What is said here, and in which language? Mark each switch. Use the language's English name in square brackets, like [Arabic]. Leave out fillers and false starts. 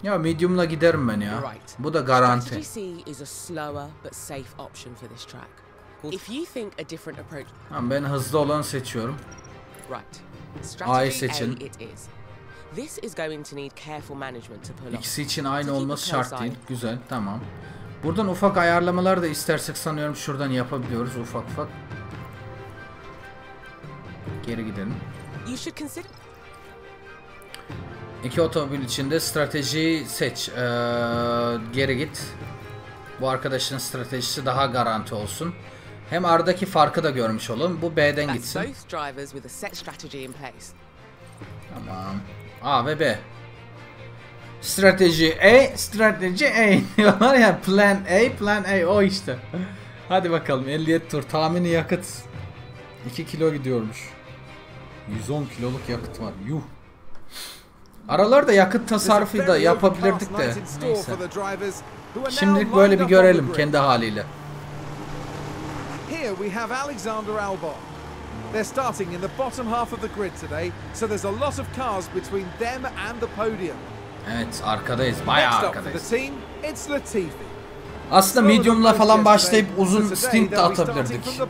[Turkish] Ya medium'la giderim ben ya. Bu da garanti. [English] Strategy C is a slower but safe option for this track. If you think a different approach. [Turkish] Tamam, ben hızlı olanı seçiyorum. [English] Right. [Turkish] Strategy A seçin. [English] A it is. This is going to need careful management to pull off. [Turkish] İkisi için aynı olması şart değil. Güzel, tamam. Buradan ufak ayarlamalar da istersek sanıyorum şuradan yapabiliyoruz ufak ufak. Geri gidelim. [English] You should consider. [Turkish] İki otomobil içinde strateji seç. Geri git. Bu arkadaşın stratejisi daha garanti olsun. Hem aradaki farkı da görmüş olalım. Bu B'den gitsin. Tamam. A ve B. Strateji A, strateji A. Diyorlar ya plan A, plan A. O işte. Hadi bakalım 57 tur. Tahmini yakıt. 2 kilo gidiyormuş. 110 kiloluk yakıt var. Yuh. Aralarda yakıt tasarrufu da yapabilirdik de. Neyse. Şimdilik böyle bir görelim kendi haliyle. [English] Here we have Alexander Albon. They're starting in the bottom half of the grid today, so there's a lot of cars between them and the podium. [Turkish] Evet, arkadayız, bayağı arkadayız. [English] Next up for the team, it's Latifi. [Turkish] Aslında medium'la falan başlayıp uzun stint de atabilirdik.